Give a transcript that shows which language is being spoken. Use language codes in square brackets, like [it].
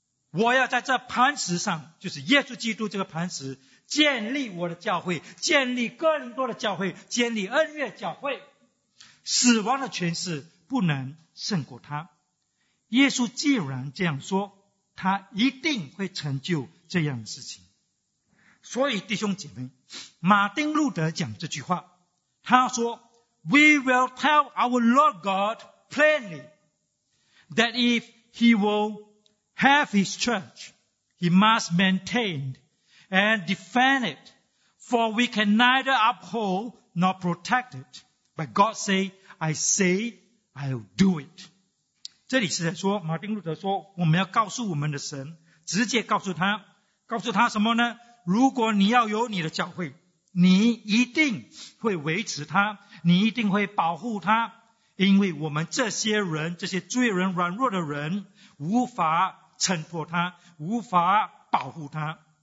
[zh] 我要在这磐石上，就是耶稣基督这个磐石，建立我的教会，建立哥林多的教会，建立恩乐教会，死亡的权势不能胜过他。耶稣既然这样说，他一定会成就这样的事情。所以弟兄姐妹，马丁路德讲这句话，他说 [en] We will tell our Lord God plainly that if he will have his church, he must maintain and defend it, for we can neither uphold nor protect it, But God say, I say, I'll do it. [zh] 这里是在说，马丁路德说，我们要告诉我们的神，直接告诉他，告诉他什么呢？如果你要有你的教会，你一定会维持他，你一定会保护他，因为我们这些人，这些罪人、软弱的人，无法衬托他，无法保护他。